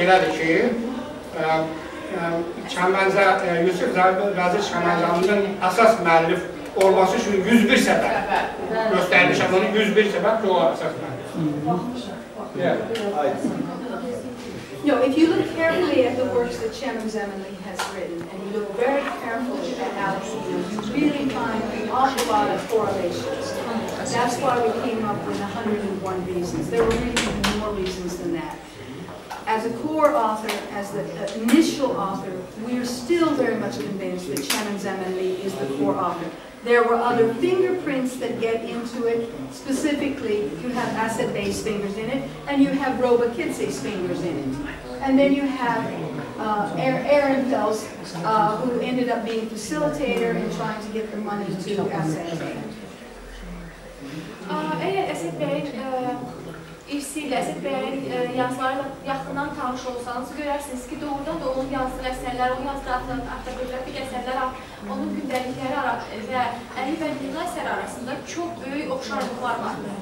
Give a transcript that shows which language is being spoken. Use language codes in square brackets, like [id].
[az] Çəmənzə, Yusif Qazır Çəmənzəminin əsas müəllif olması üçün 101 səbəb göstərmişəm, onun 101 səbəb ki, o əsas müəllif. [en] No, if you look carefully at the works that Chairman Zemanli has written, and you look very carefully at how you really find an awful lot of correlations, that's why we came up with 101 reasons. There were really even more reasons than that. As a core author, as the initial author, we are still very much convinced that Chairman Zeman Lee is the core author. There were other fingerprints that get into it. Specifically, you have asset-based fingers in it, and you have Roba Kitsi's fingers in it. And then you have Aaron Fels, who ended up being facilitator and trying to get the money to asset-based. [az] Eğer [en] asset-based [az] işsiyle, yazılarla yaxından tanış olsanız görərsiniz ki, doğrudan da onun yazdığı əsərlər, onun yazdığı avtobiografik əsərlər, onun gündəlikləri və Əli və Nino əsəri arasında çox böyük oxşarlıqlar var.